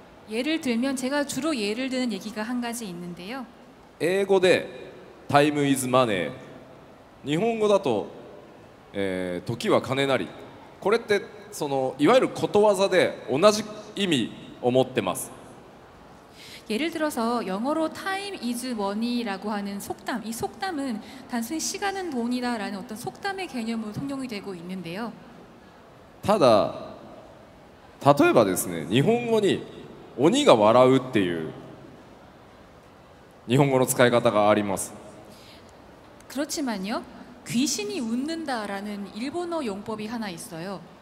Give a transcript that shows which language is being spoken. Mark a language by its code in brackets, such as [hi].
[ko] 예를들면제가주로예를드는얘기가한가지있는데요 [ja] 英語で [en] time is money [ja] 日本語だと時は金なりこれってそのいわゆることわざで同じ意味を持ってます [ko] 예를들어서영어로 [en] time is money [ko] 라고하는속담이속담은단순히시간은돈이다라는어떤속담의개념으로통용이되고있는데요 [ja] ただ例えばですね日本語に鬼が笑うっていう日本語の使い方があります [ko] 그렇지만요귀신이웃는다라는일본어용법이하나있어요